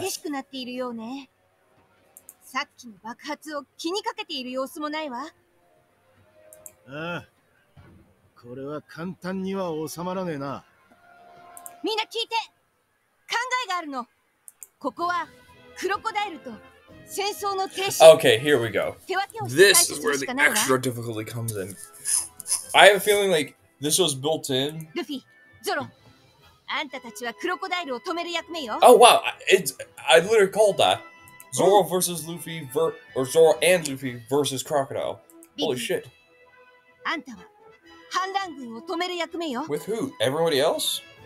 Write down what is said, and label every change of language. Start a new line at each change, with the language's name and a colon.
Japanese: 激しくなっているようね。さっきの爆発を気にかけている様子もないわ。これは簡単には収まらねえな。みんな聞いて、考えがあるの。ここはクロコダイルと戦争の停止。
English: Okay, here we go. This is where the extra difficulty comes in. I have a feeling like this was built in.
Japanese: ルフィ、ゾロ、あんたたちはクロコダイルを止める役目よ。
English: Oh wow, I literally called that. Zoro versus Luffy, or Zoro and Luffy versus Crocodile. Holy shit.
Japanese: あんたは反乱軍を止める役目よ。
English: With who? Everybody else?